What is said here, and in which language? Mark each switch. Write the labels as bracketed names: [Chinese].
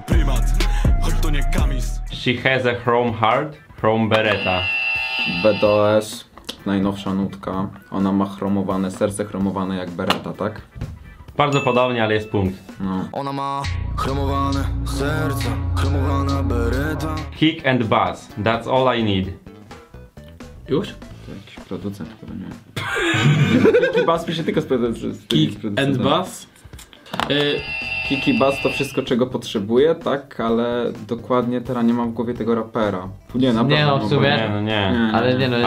[Polish] prymat, choć to nie kamis. [English] She has a chrome heart, chrome beretta. [Polish] BDOS. najnowsza nutka. Ona ma chromowane serce, chromowane jak Beretta, tak? Bardzo podobnie, ale jest punkt. No. Ona ma chromowane serce, chromowana Beretta. [English] Kick and bass, that's all I need. [Polish] Już? To jakiś producent chyba, nie? Kick and bass pisze tylko z producentem. Kick and bass? Kick i bass to wszystko, czego potrzebuję, tak? Ale dokładnie teraz nie mam w głowie tego rapera. Nie, naprawdę. Nie, no w sumie. Nie, no nie. Ale nie, no jest...